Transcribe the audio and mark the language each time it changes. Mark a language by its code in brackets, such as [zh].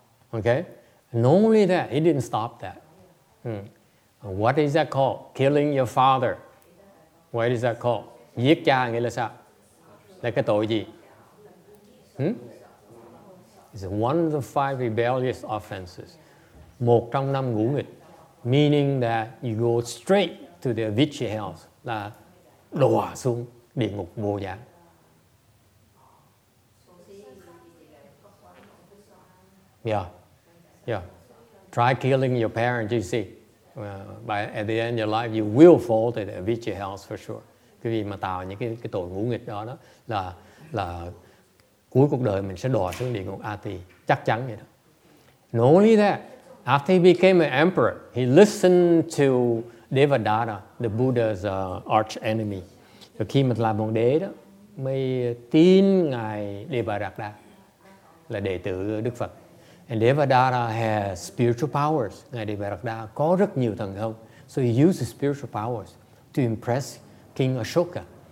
[en] Okay? Not only that, he didn't stop that. What is that called? Killing your father. What is that called? [vi] Giết cha nghĩa là sao? Là cái tội gì? [en] It's one of the five rebellious offenses. [vi] Một trong năm ngũ nghịch. [en] Meaning that you go straight to the avichi hells. [vi] Là đọa xuống địa ngục vô gián. [en] Yeah. Try killing your parents, you see. By at the end of your life, you will fall to the avichi hells for sure. [vi] Cái gì mà tạo những cái tội ngũ nghịch đó là cuối cuộc đời mình sẽ đọa xuống địa ngục Ati, chắc chắn vậy đó. [en] Not only that, after he became an emperor, he listened to Devadatta, the Buddha's arch enemy. [vi] Rồi khi mà làm hoàng đế đó, mới tin ngài Devadatta là đệ tử Đức Phật. [en] And Devadatta has spiritual powers. [vi] Ngài Devadatta có rất nhiều thần thông. [en] So he used his spiritual powers to impress King Ashoka.